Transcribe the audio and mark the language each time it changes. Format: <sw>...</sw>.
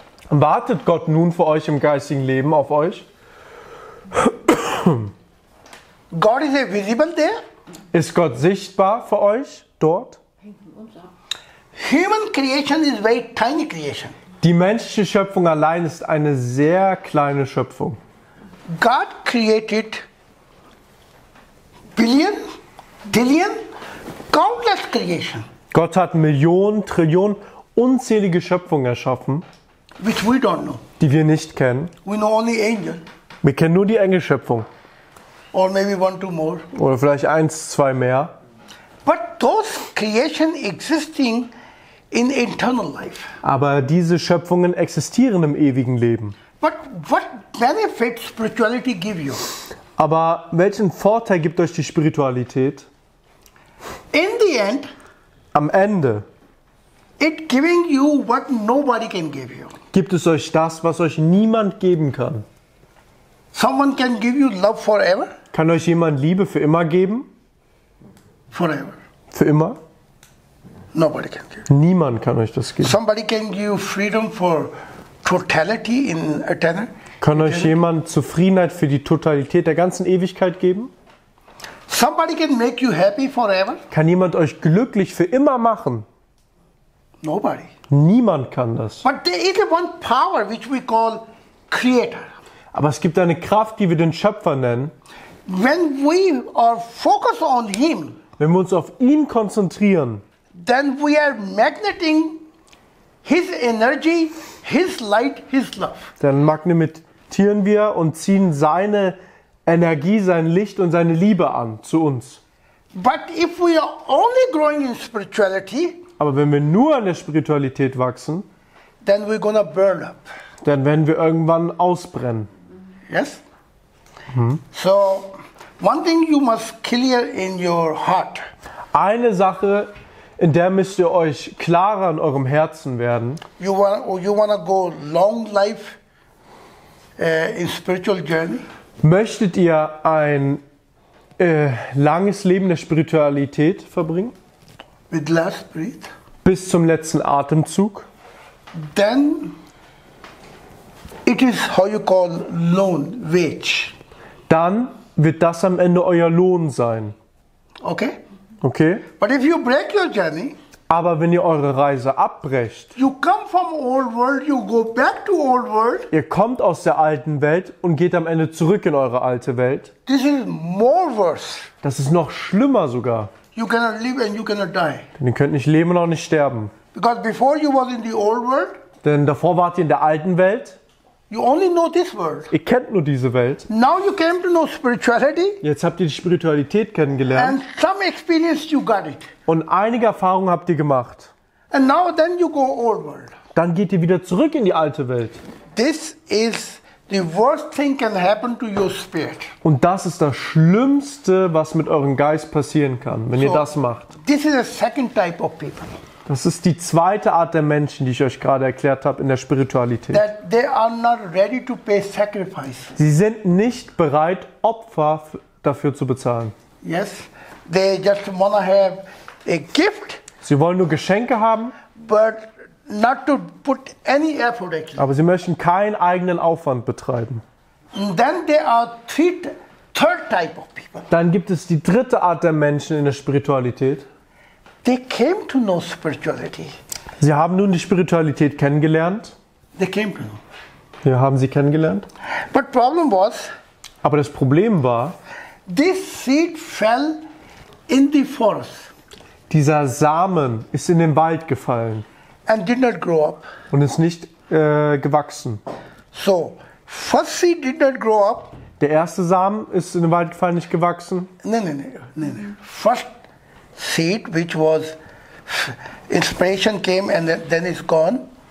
<de>Wartet Gott nun für euch im geistigen Leben auf euch?</de> <en>God is visible there?</en> <de>Ist Gott sichtbar für euch dort?</de> <en>Human creation is very tiny creation.</en> <de>Die menschliche Schöpfung allein ist eine sehr kleine Schöpfung.</de> <en>God created billion, trillion, countless creation.</en> <de>Gott hat Millionen, Trillionen, unzählige Schöpfungen erschaffen,</de> <en>which we don't know.</en> <de>Die wir nicht kennen.</de> <en>We know only angel.</en> <de>Wir kennen nur die Engelschöpfung.</de> <en>Or maybe one, two more.</en> <de>Oder vielleicht eins, zwei mehr.</de> <en>But those creation existing in eternal life.</en> <de>Aber diese Schöpfungen existieren im ewigen Leben.</de> <en>But what benefit spirituality give you?</en> <de>Aber welchen Vorteil gibt euch die Spiritualität?</de> <en>In the end,</en> <de>am Ende,</de> <en>it giving you what nobody can give you.</en> <de>Gibt es euch das, was euch niemand geben kann?</de> <en>Someone can give you love forever?</en> <de>Kann euch jemand Liebe für immer geben?</de> <en>Forever.</en> <de>Für immer?</de> <en>Nobody can give.</en> <de>Niemand kann euch das geben.</de> <en>Somebody can give you freedom for totality in eternity.</en> <de>Kann euch jemand Zufriedenheit für die Totalität der ganzen Ewigkeit geben?</de> <en>Somebody can make you happy forever?</en> <de>Kann jemand euch glücklich für immer machen?</de> <en>Nobody.</en> <de>Niemand kann das.</de> <en>But there is one power which we call creator.</en> <de>Aber es gibt eine Kraft, die wir den Schöpfer nennen.</de> <en>When we are focused on him,</en> <de>wenn wir uns auf ihn konzentrieren,</de> <en>then we are magneting his energy, his light, his love.</en> <de>Dann magnetieren wir und ziehen seine Energie, sein Licht und seine Liebe an zu uns.</de> <en>But if we are only growing in spirituality,</en> <de>aber wenn wir nur an der Spiritualität wachsen,</de> <en>then we're gonna burn up.</en> <de>Dann werden wir irgendwann ausbrennen.</de> <en>Yes? So, one thing you must clear in your heart.</en> <de>Eine Sache, in der müsst ihr euch klarer in eurem Herzen werden.</de> <en>You wanna go long life in spiritual journey?</en> <de>Möchtet ihr ein langes Leben der Spiritualität verbringen?</de> <en>With last breath.</en> <de>Bis zum letzten Atemzug.</de> <en>Then it is how you call loan, wage.</en> <de>Dann wird das am Ende euer Lohn sein.</de> <en>Okay?</en> <de>Okay.</de> <en>But if you break your journey,</en> <de>aber wenn ihr eure Reise abbrecht,</de> <en>you come from old world, you go back to old world,</en> <de>ihr kommt aus der alten Welt und geht am Ende zurück in eure alte Welt,</de> <en>this is more worse.</en> <de>Das ist noch schlimmer sogar.</de> <en>You cannot live and you cannot die.</en> <de>Denn ihr könnt nicht leben und auch nicht sterben.</de> <en>Because before you were in the old world,</en> <de>denn davor wart ihr in der alten Welt.</de> <en>You only know this world.</en> <de>Ihr kennt nur diese Welt.</de> <en>Now you came to know spirituality.</en> <de>Jetzt habt ihr die Spiritualität kennengelernt.</de> <en>And some experience you got it.</en> <de>Und einige Erfahrungen habt ihr gemacht.</de> <en>And now then you go old world.</en> <de>Dann geht ihr wieder zurück in die alte Welt.</de> <en>This is the worst thing can happen to your spirit.</en> <de>Und das ist das Schlimmste, was mit eurem Geist passieren kann, wenn ihr das macht.</de> <en>This is a second type of people.</en> <de>Das ist die zweite Art der Menschen, die ich euch gerade erklärt habe in der Spiritualität.</de> <en>That they are not ready to pay sacrifice.</en> <de>Sie sind nicht bereit, Opfer dafür zu bezahlen.</de> <en>Yes, they just wanna have a gift.</en> <de>Sie wollen nur Geschenke haben.</de> <en>But not to put any effort.</en> <de>Aber sie möchten keinen eigenen Aufwand betreiben.</de> <en>Then there are third type of people.</en> <de>Dann gibt es die dritte Art der Menschen in der Spiritualität.</de> <en>They came to know spirituality.</en> <de>Sie haben nun die Spiritualität kennengelernt.</de> <en>They came to know.</en> <de>Wir haben sie kennengelernt.</de> <en>But problem was,</en> <de>aber das Problem war,</de> <en>this seed fell in the forest.</en> <de>Dieser Samen ist in den Wald gefallen.</de> <en>And did not grow up.</en> <de>Und ist nicht gewachsen.</de> <en>So, first seed did not grow up.</en> <de>Der erste Samen ist in den Wald gefallen, nicht gewachsen. Nein.</de> <en>First seed, which was inspiration came and then is gone.</en>